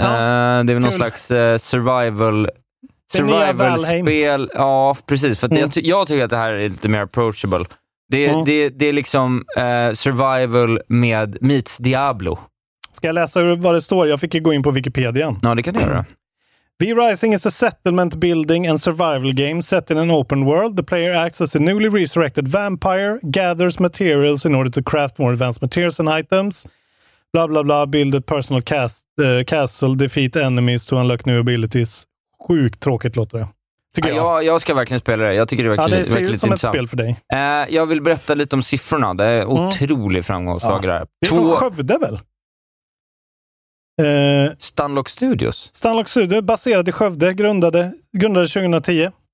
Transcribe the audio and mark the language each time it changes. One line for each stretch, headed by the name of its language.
Swedish: Det är väl någon slags survival... Survival-spel, ja, precis. För att jag tycker att det här är lite mer approachable. Det är liksom survival med meets Diablo. Ska jag läsa vad det står? Jag fick ju gå in på Wikipedia. Ja, det kan du göra.
English: V-Rising is a settlement building and survival game set in an open world. The player acts as a newly resurrected vampire, gathers materials in order to craft more advanced materials and items. Bla bla bla, build a personal castle, defeat enemies to unlock new abilities.
Swedish: Sjukt tråkigt låter det. Tycker jag. Jag ska verkligen spela det. Jag tycker det verkligen intressant. Ja, det ser ut som ett spel för dig. Jag vill berätta lite om siffrorna. Det är otroligt framgångssaga. Det är från Skövde väl? Stunlock Studios. Stunlock Studios, baserad i Skövde, grundade 2010.